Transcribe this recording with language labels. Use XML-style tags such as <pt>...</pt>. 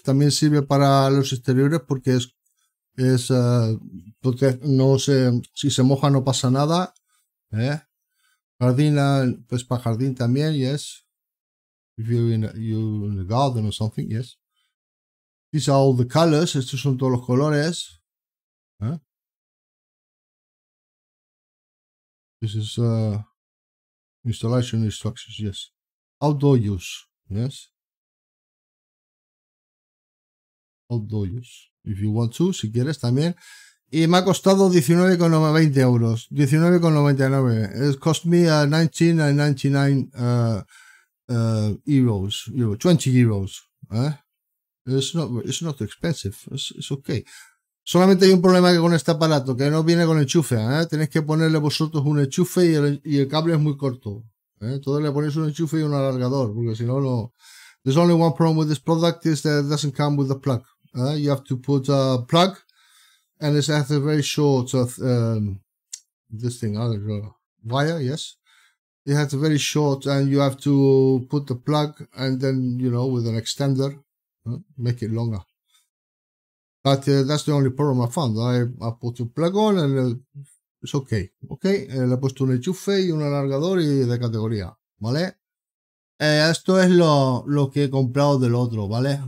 <es>También sirve para los exteriores porque es porque no se si se moja no pasa nada. ¿Eh? Jardín, pues para jardín también, yes.</es> <en>If you're in the garden or something, yes. These are all the colors,</en> <es>estos son todos los colores.</es> <en>¿Eh? This is installation instructions, yes. outdoor use. Yes. Outdoor use. If you want to,</en> <es>si quieres también. Y me ha costado 19,20 euros.</es> <en>19,99. It cost me 19,99 euros. 20 euros. It's not too expensive. It's okay.</en> <es>Solamente hay un problema que con este aparato, que no viene con enchufe. Tenéis que ponerle vosotros un enchufe y el cable es muy corto. Entonces le ponéis un enchufe y un alargador, porque si no, no.</es> <en>There's only one problem with this product is that it doesn't come with a plug. You have to put a plug. And it has a very short this thing, wire, yes. It has a very short, and you have to put the plug, and then, you know, with an extender, make it longer. But that's the only problem I found. I put the plug on, and it's okay.</en> <es>Okay, le he puesto un enchufe y un alargador y de categoría, ¿vale? Esto es lo que he comprado del otro, ¿vale?</es>